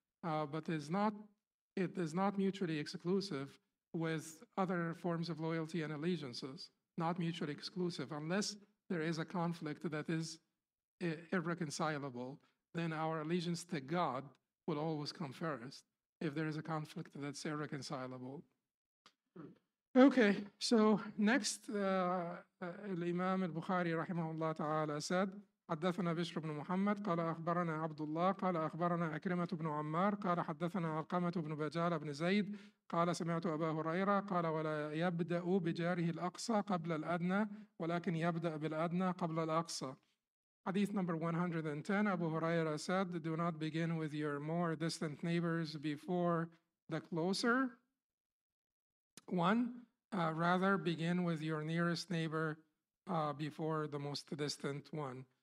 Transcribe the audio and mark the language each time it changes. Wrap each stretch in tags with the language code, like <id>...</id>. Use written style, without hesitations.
<en>But it is not mutually exclusive with other forms of loyalty and allegiances. Not mutually exclusive, unless there is a conflict that is irreconcilable, then our allegiance to God will always come first if there is a conflict that's irreconcilable. Okay, so next, Imam al-Bukhari rahimahullah ta'ala said,</en> <ar>حدثنا بشر بن محمد قال أخبرنا عبد الله قال أخبرنا أكرمة بن عمار قال حدثنا علقمة بن بجال بن زيد قال سمعت أبا هريرة قال ولا يبدأ بجاره الأقصى قبل الأدنى ولكن يبدأ بالأدنى قبل الأقصى.</ar> <en>Hadith number 110, Abu Huraira said, do not begin with your more distant neighbors before the closer one. Rather begin with your nearest neighbor before the most distant one.</en>